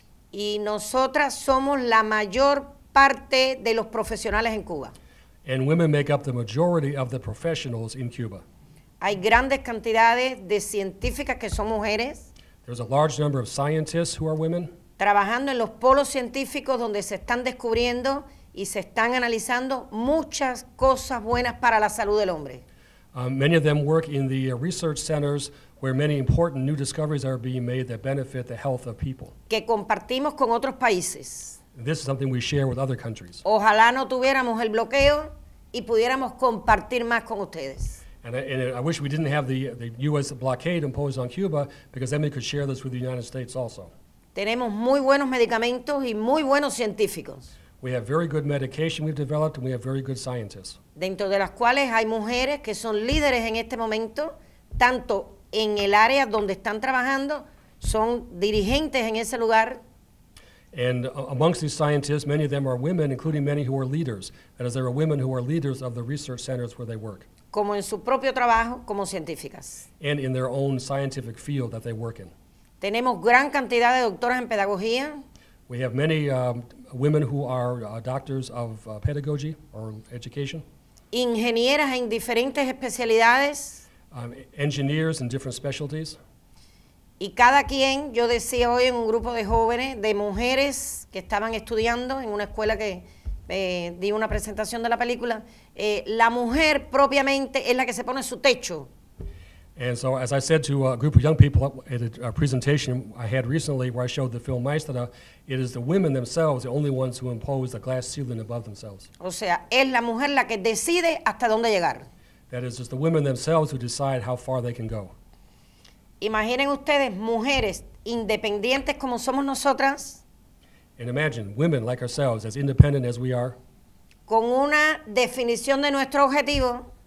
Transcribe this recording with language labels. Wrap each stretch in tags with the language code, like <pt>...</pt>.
<es>Y nosotras somos la mayor parte de los profesionales en Cuba.</es> <en>And women make up the majority of the professionals in Cuba.</en> <es>Hay grandes cantidades de científicas que son mujeres.</es> <en>There's a large number of scientists who are women.</en> <es>Trabajando en los polos científicos donde se están descubriendo y se están analizando muchas cosas buenas para la salud del hombre.</es> <en>Many of them work in the research centers where many important new discoveries are being made that benefit the health of people.</en> <es>Que compartimos con otros países.</es> <en>This is something we share with other countries.</en> <es>Ojalá no tuviéramos el bloqueo y pudiéramos compartir más con ustedes.</es> <en>And I wish we didn't have the U.S. blockade imposed on Cuba, because then we could share this with the United States also.</en> <es>Tenemos muy buenos medicamentos y muy buenos científicos.</es> <en>We have very good medication we've developed, and we have very good scientists.</en> <es>Dentro de las cuales hay mujeres que son líderes en este momento, tanto en el área donde están trabajando, son dirigentes en ese lugar.</es> <en>And amongst these scientists, many of them are women, including many who are leaders. That is, there are women who are leaders of the research centers where they work.</en> <es>Como en su propio trabajo, como científicas.</es> <en>And in their own scientific field that they work in.</en> <es>Tenemos gran cantidad de doctoras en pedagogía.</es> <en>We have many women who are doctors of pedagogy or education.</en> <es>Ingenieras en diferentes especialidades.</es> <en>Engineers in different specialties.</en> <es>Y cada quien, yo decía hoy en un grupo de jóvenes, de mujeres que estaban estudiando en una escuela que di una presentación de la película, la mujer propiamente es la que se pone su techo.</es> <en>And so, as I said to a group of young people at a presentation I had recently where I showed the film Maestra, it is the women themselves, the only ones who impose the glass ceiling above themselves.</en> <es>O sea, es la mujer la que decide hasta dónde llegar.</es> <en>That is, it's the women themselves who decide how far they can go.</en> <es>Imaginen ustedes, mujeres independientes como somos nosotras.</es> <en>And imagine women like ourselves, as independent as we are.</en> <es>Con una definición de nuestro objetivo.</es>